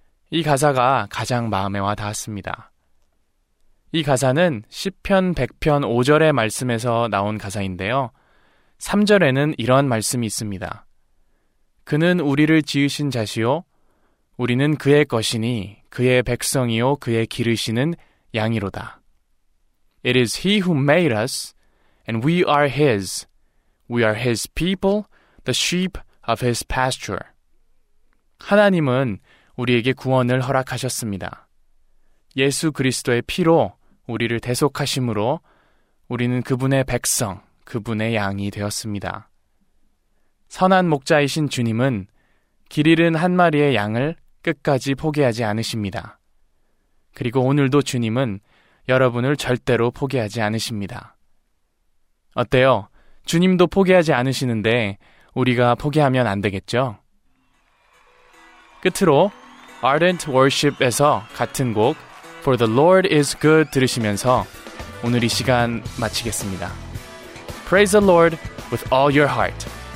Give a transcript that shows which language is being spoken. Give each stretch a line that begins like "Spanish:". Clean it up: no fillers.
Korean: 이 가사가 가장 마음에 와 닿았습니다. 이 가사는 시편 100편 5절의 말씀에서 나온 가사인데요. 3절에는 이런 말씀이 있습니다. 그는 우리를 지으신 자시오, 우리는 그의 것이니 그의 백성이요 그의 기르시는 양이로다.
English: It is he who made us, and we are his. We are his people, the sheep of his pasture.
Korean: 하나님은 우리에게 구원을 허락하셨습니다. 예수 그리스도의 피로 우리를 대속하심으로 우리는 그분의 백성, 그분의 양이 되었습니다. 선한 목자이신 주님은 길 잃은 한 마리의 양을 끝까지 포기하지 않으십니다. 그리고 오늘도 주님은 여러분을 절대로 포기하지 않으십니다. 어때요? 주님도 포기하지 않으시는데 우리가 포기하면 안 되겠죠? 끝으로 Ardent Worship에서 같은 곡 For the Lord is Good 들으시면서 오늘 이 시간 마치겠습니다.
English: Praise the Lord with all your heart.